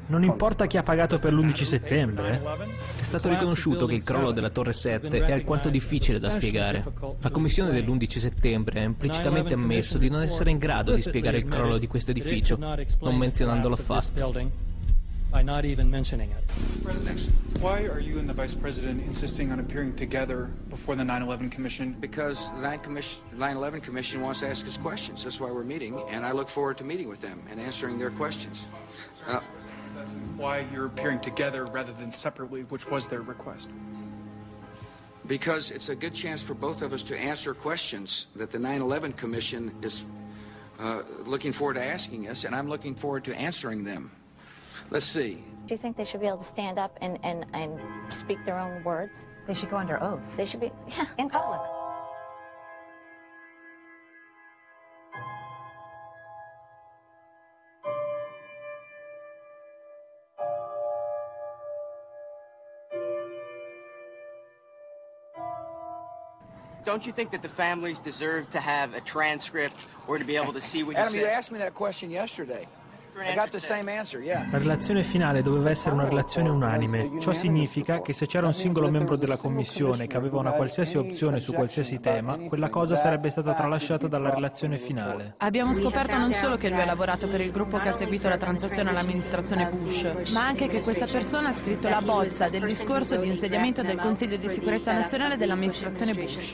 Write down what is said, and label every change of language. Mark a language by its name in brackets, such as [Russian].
[Italian] Non importa chi ha pagato per l'11 settembre? È stato riconosciuto che il crollo della Torre 7 è alquanto difficile da spiegare. La commissione dell'11 settembre ha implicitamente ammesso di non essere in grado di spiegare il crollo di questo edificio, non menzionandolo affatto. [English] By not even mentioning it. President Nixon, why are you and the Vice President insisting on appearing together before the 9/11 Commission? Because the 9/11 Commission wants to ask us questions. That's why we're meeting, and I look forward to meeting with them and answering their questions. Why you're appearing together rather than separately, which was their request? Because it's a good chance for both of us to answer questions that the 9/11 Commission is looking forward to asking us, and I'm looking forward to answering them. Let's see. Do you think they should be able to stand up and speak their own words? They should go under oath. They should be, yeah, in public. Don't you think that the families deserve to have a transcript or to be able to see what Adam, you said? Adam, you asked me that question yesterday. I got the same answer, yeah. [Italian] La relazione finale doveva essere una relazione unanime. Ciò significa che se c'era un singolo membro della commissione che aveva una qualsiasi opzione su qualsiasi tema, quella cosa sarebbe stata tralasciata dalla relazione finale. Abbiamo scoperto non solo che lui ha lavorato per il gruppo che ha seguito la transazione all'amministrazione Bush, ma anche che questa persona ha scritto la bozza del discorso di insediamento del Consiglio di Sicurezza Nazionale dell'amministrazione Bush.